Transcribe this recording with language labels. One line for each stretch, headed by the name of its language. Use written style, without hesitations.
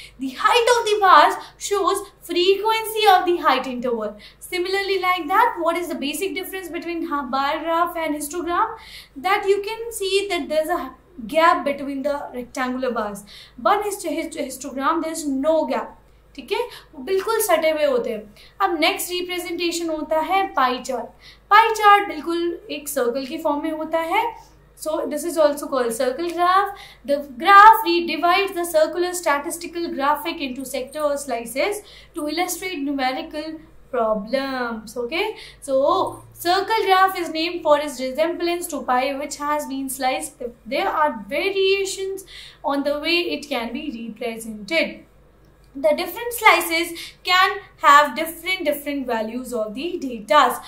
English: The height of the bars shows frequency of the height interval. Similarly like that, what is the basic difference between bar graph and histogram? That you can see that there's a gap between the rectangular bars, but histogram there is no gap.
Hindi: ठीक है, बिल्कुल सटे हुए होते हैं. अब next representation होता है पाई चार्ट. पाई चार्ट बिल्कुल एक सर्कल के फॉर्म में होता है.
English: So this is also called circle graph. The graph redivide the circular statistical graphic into sector और slices to illustrate numerical problems. Okay, so circle graph is named for its resemblance to pie which has been sliced. There are variations on the way it can be represented. The different slices can have different values of the data.